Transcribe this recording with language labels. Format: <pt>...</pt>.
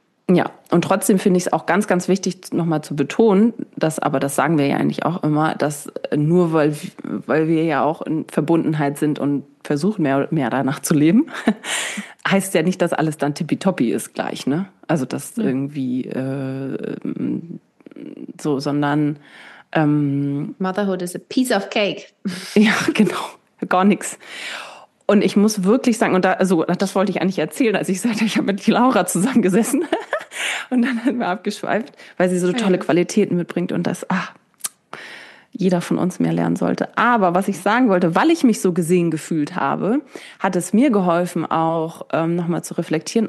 <de>Ja, und trotzdem finde ich es auch ganz, ganz wichtig, nochmal zu betonen, dass, aber das sagen wir ja eigentlich auch immer, dass nur weil wir ja auch in Verbundenheit sind und versuchen, mehr danach zu leben, heißt ja nicht, dass alles dann tippitoppi ist gleich, ne? Also das irgendwie so, sondern</de> <en>Motherhood is a piece of cake.</en> <de>Ja, genau. Gar nichts. Und ich muss wirklich sagen, und da, also, das wollte ich eigentlich erzählen, als ich sagte, ich habe mit Laura zusammengesessen und dann haben wir abgeschweift, weil sie so tolle Qualitäten mitbringt und dass jeder von uns mehr lernen sollte. Aber was ich sagen wollte, weil ich mich so gesehen gefühlt habe, hat es mir geholfen, auch nochmal zu reflektieren.</de>